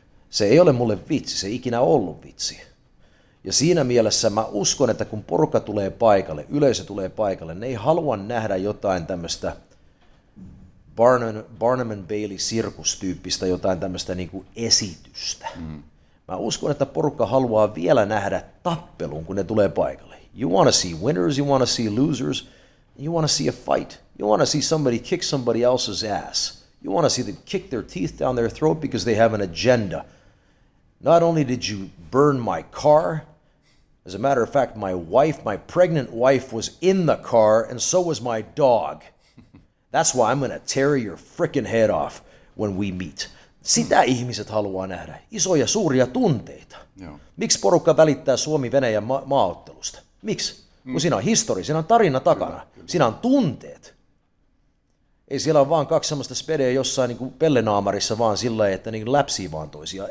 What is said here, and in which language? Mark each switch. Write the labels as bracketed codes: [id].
[fi] Se ei ole mulle vitsi, se ei ikinä ollut vitsi. Ja siinä mielessä mä uskon, että kun porukka tulee paikalle, yleisö tulee paikalle, ne ei halua nähdä jotain tämmöistä Barnum and Bailey -sirkustyyppistä, jotain tämmöistä niin kuin esitystä. Mä uskon, että porukka haluaa vielä nähdä tappelun, kun ne tulee paikalle. [en] You want to see winners, you want to see losers, you want to see a fight. You want to see somebody kick somebody else's ass. You want to see them kick their teeth down their throat because they have an agenda. Not only did you burn my car, as a matter of fact, my wife, my pregnant wife was in the car and so was my dog. That's why I'm going to tear your frickin' head off when we meet. [fi] Sitä ihmiset haluaa nähdä. Isoja, suuria tunteita. Yeah. Miksi porukka välittää Suomi-Venäjän maaottelusta? Miksi? Kun siinä on historia, siinä on tarina takana, kyllä. Siinä on tunteet. Ei siellä ole vaan kaksi semmoista spedeä jossain niin kuin pellenaamarissa vaan sillä tavalla, että niin läpsii vaan toisiaan.